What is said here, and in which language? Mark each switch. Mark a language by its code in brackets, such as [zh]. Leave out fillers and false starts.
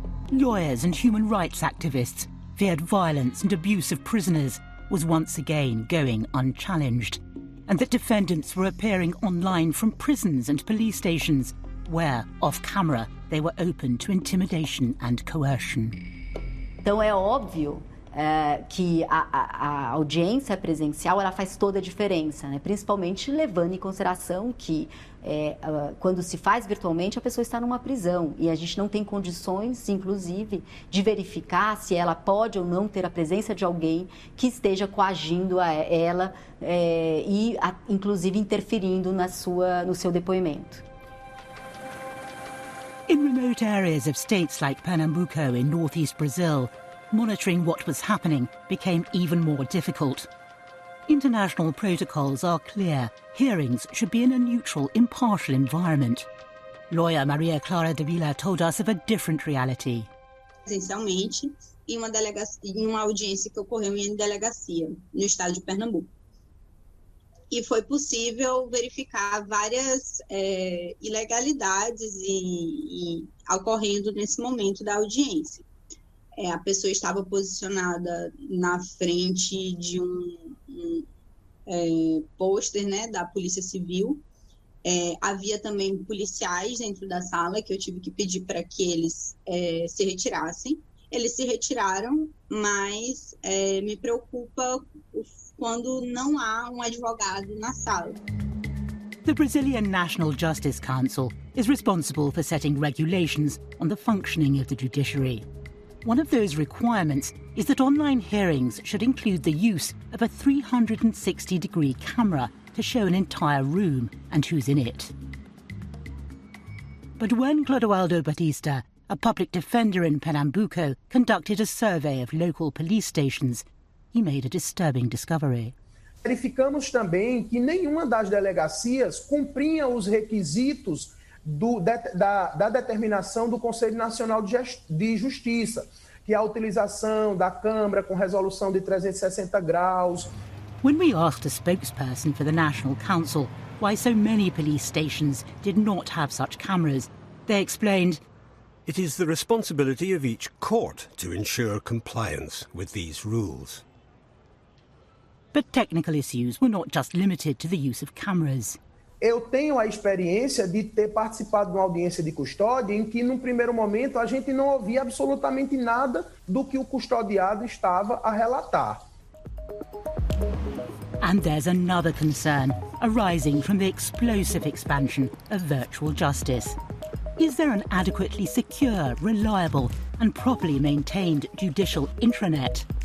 [en] Lawyers and human rights activists feared violence and abuse of prisoners was once again going unchallenged, and that defendants were appearing online from prisons and police stations where, off-camera, they were open to intimidation and coercion. [pt] Então é óbvio que a audiência presencial ela faz toda a diferença, né? Principalmente levando em consideração que quando se faz virtualmente, a pessoa está numa prisão e a gente não tem condições, inclusive, de verificar se ela pode ou não ter a presença de alguém que esteja coagindo a ela inclusive, interferindo no seu depoimento. [en] In remote areas of states like Pernambuco in northeast Brazil, monitoring what was happening became even more difficult. International protocols are clear. Hearings should be in a neutral, impartial environment. Lawyer Maria Clara de Villa told us of a different reality. [pt] Presencialmente, em uma audiência que ocorreu em delegacia, no estado de Pernambuco. E foi possível verificar várias ilegalidades ocorrendo nesse momento da audiência. A pessoa estava posicionada na frente de um pôster, né, da Polícia Civil. Havia também policiais dentro da sala que eu tive que pedir para que eles se retirassem. Eles se retiraram, mas me preocupa quando não há um advogado na sala. [en] The Brazilian National Justice Council is responsible for setting regulations on the functioning of the judiciary. One of those requirements is that online hearings should include the use of a 360-degree camera to show an entire room and who's in it. But when Clodoaldo Batista, a public defender in Pernambuco, conducted a survey of local police stations, he made a disturbing discovery. [pt] Verificamos também que nenhuma das delegacias cumpria os requisitos da determinação do Conselho Nacional de Justiça, que é a utilização da câmara com resolução de 360 graus. [en] When we asked a spokesperson for the National Council why so many police stations did not have such cameras, they explained, It is the responsibility of each court to ensure compliance with these rules. But technical issues were not just limited to the use of cameras. [pt] Eu tenho a experiência de ter participado de uma audiência de custódia em que, num primeiro momento, a gente não ouvia absolutamente nada do que o custodiado estava a relatar. [en] And there's another concern arising from the explosive expansion of virtual justice. Is there an adequately secure, reliable, and properly maintained judicial intranet?